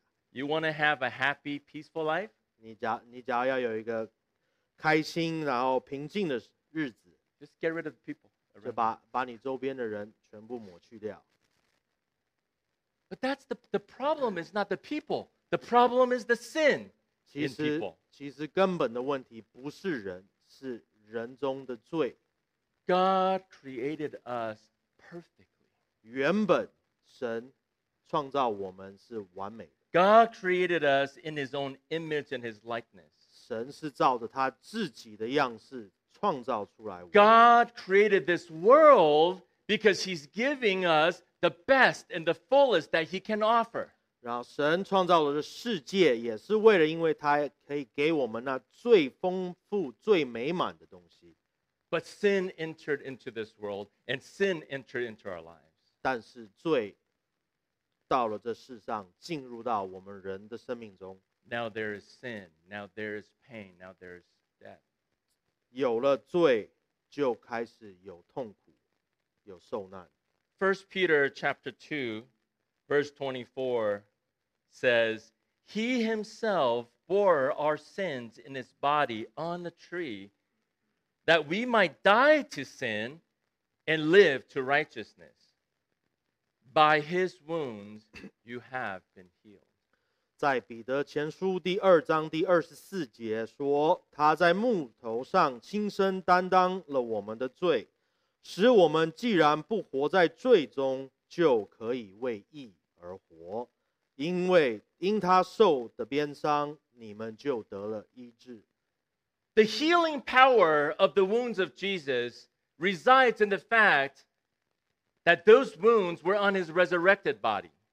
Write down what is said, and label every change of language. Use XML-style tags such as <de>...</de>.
<en>You want to have a happy, peaceful life?</en> <zh>你只要要有一个开心然后平静的日子。</zh> <en>Just get rid of the people.</en> <zh>就把你周边的人全部抹去掉。</zh> <en>But that's the problem is not the people. The problem is the sin in people.</en> <zh>其实根本的问题不是人，是人中的罪。</zh> <en>God created us perfectly.</en> <zh>原本神创造我们是完美的。</zh> <en>God created us in His own image and His likeness.</en> <zh>神是照着他自己的样式创造出来我们。</zh> <en>God created this world because He's giving us the best and the fullest that He can offer.</en> <zh>然后神创造了这世界也是为了因为他可以给我们那最丰富最美满的东西。</zh> <en>But sin entered into this world, and sin entered into our lives.</en> <zh>但是罪到了这世上，进入到我们人的生命中。</zh> <en>Now there is sin. Now there is pain. Now there is death.</en> <zh>有了罪，就开始有痛苦，有受难。</zh> <en>First Peter chapter 2, verse 24 says, He himself bore our sins in his body on the tree. That we might die to sin and live to righteousness. By his wounds you have been healed.</en> <zh>在彼得前书第二章第二十四节说，他在木头上亲身担当了我们的罪，使我们既然不活在罪中，就可以为义而活。因为因他受的鞭伤，你们就得了医治。</zh> <en>The healing power of the wounds of Jesus resides in the fact that those wounds were on his resurrected body.</en>